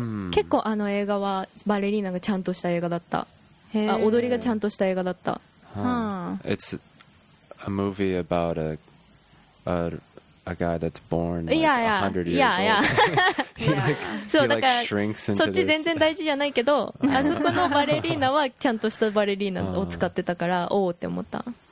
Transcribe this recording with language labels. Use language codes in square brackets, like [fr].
[ja] 結構あの映画はバレリーナがちゃんとした映画だった。 [en] Hey. [ja] あ、踊りがちゃんとした映画だった。 Huh. [en] It's a movie about a guy that's born like 100 years old. [ja] そう、だからそっち全然大事じゃないけど、あそこのバレリーナはちゃんとしたバレリーナを使ってたから、おーって思った。